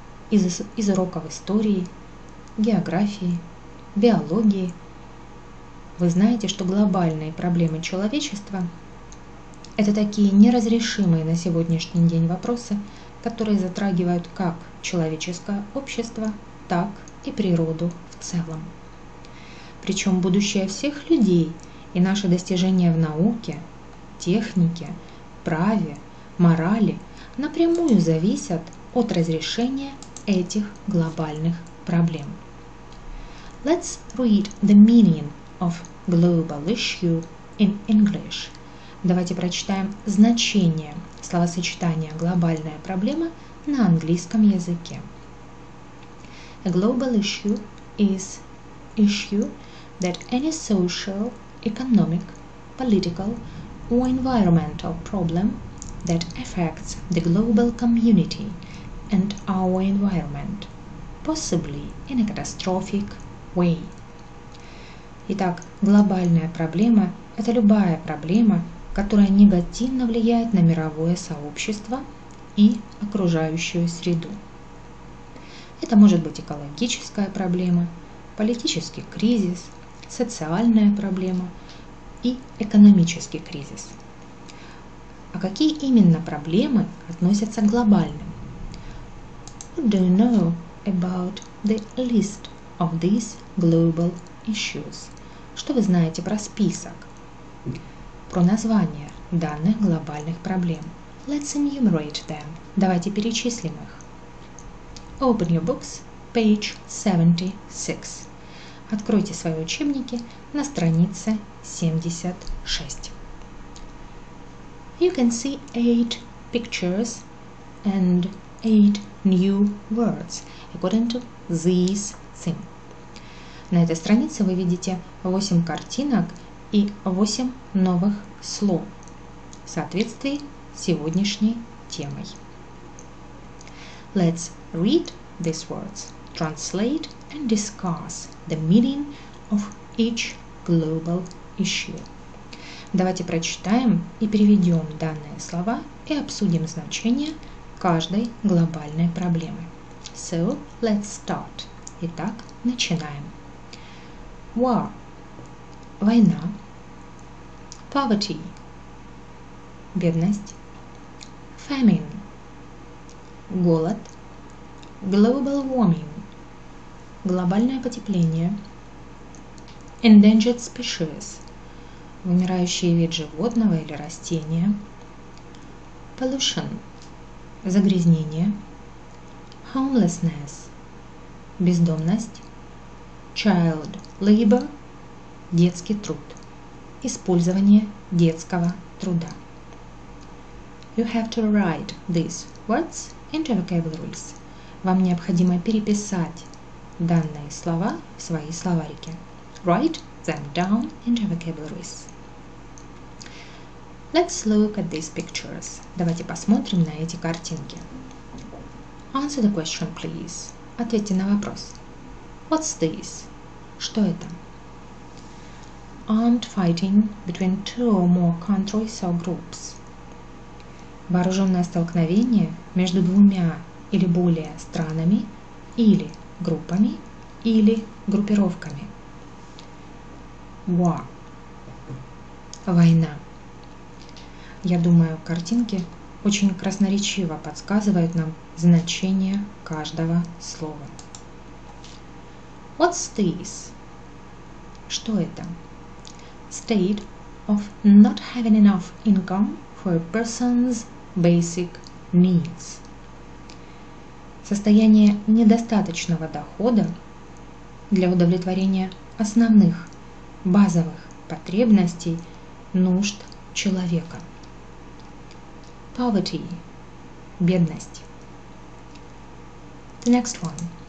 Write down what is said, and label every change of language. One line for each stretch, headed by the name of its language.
Russian: Из уроков истории, географии, биологии вы знаете, что глобальные проблемы человечества – это такие неразрешимые на сегодняшний день вопросы, которые затрагивают как человеческое общество, так и природу в целом. Причем будущее всех людей и наши достижения в науке, технике, праве, морали напрямую зависят от разрешения этих глобальных проблем.
English: Let's read the meaning of global issue in English.
Russian: Давайте прочитаем значение словосочетания «глобальная проблема» на английском языке.
English: A global issue is issue that any social, economic, political or environmental problem that affects the global community and our environment, possibly in a catastrophic way.
Russian: Итак, глобальная проблема – это любая проблема, которая негативно влияет на мировое сообщество и окружающую среду. Это может быть экологическая проблема, политический кризис, социальная проблема и экономический кризис. А какие именно проблемы относятся к глобальным?
English: What do you know about the list of these global issues?
Russian: Что вы знаете про список, про название данных глобальных проблем?
English: Let's enumerate them.
Russian: Давайте перечислим их.
English: Open your books, page 76.
Russian: Откройте свои учебники на странице 76.
English: You can see 8 pictures and 8 new words according to these things.
Russian: На этой странице вы видите 8 картинок и 8 новых слов в соответствии с сегодняшней темой.
English: Let's read these words, translate and discuss the meaning of each global issue.
Russian: Давайте прочитаем и переведем данные слова и обсудим значение каждой глобальной проблемы.
English: So, let's start.
Russian: Итак, начинаем.
English: War – война, poverty – бедность, famine – голод, global warming – глобальное потепление,
Russian: endangered species – вымирающий вид животного или растения, pollution – загрязнение, homelessness – бездомность, child labor – детский труд, использование детского труда.
English: You have to write these words into vocabularies.
Russian: Вам необходимо переписать данные слова в свои словарики.
English: Write them down into vocabularies. Let's look at these pictures.
Russian: Давайте посмотрим на эти картинки.
English: Answer the question, please.
Russian: Ответьте на вопрос.
English: What's this?
Russian: Что это?
English: Armed fighting between two or more countries or groups.
Russian: Вооруженное столкновение между двумя или более странами или группами или группировками.
English: War. Война.
Russian: Я думаю, картинки очень красноречиво подсказывают нам значение каждого слова.
English: What's this?
Russian: Что это?
English: State of not having enough income for a person's basic needs.
Russian: Состояние недостаточного дохода для удовлетворения основных базовых потребностей нужд человека.
English: Poverty – бедность. The next one.